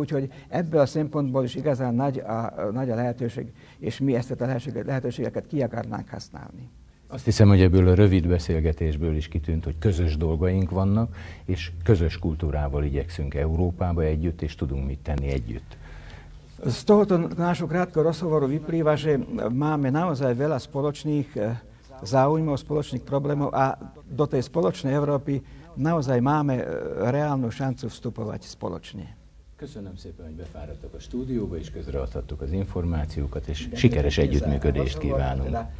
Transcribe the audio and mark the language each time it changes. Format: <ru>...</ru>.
<hu>Úgyhogy ebből a szempontból is igazán nagy a lehetőség, és mi ezt a lehetőségeket ki akarnánk használni. Azt hiszem, hogy ebből a rövid beszélgetésből is kitűnt, hogy közös dolgaink vannak, és közös kultúrával igyekszünk Európába együtt, és tudunk mit tenni együtt.</hu> <sk>Z tohoto nášho krátkeho rozhovoru vyplýva, že máme naozaj veľa spoločných záujmov, spoločných problémov a do tej spoločnej Európy naozaj máme reálnu šancu vstupovať spoločne.</sk> <hu>Köszönöm szépen, hogy befáradtak a stúdióba, és közreadhattuk az információkat, és sikeres együttműködést kívánunk.</hu>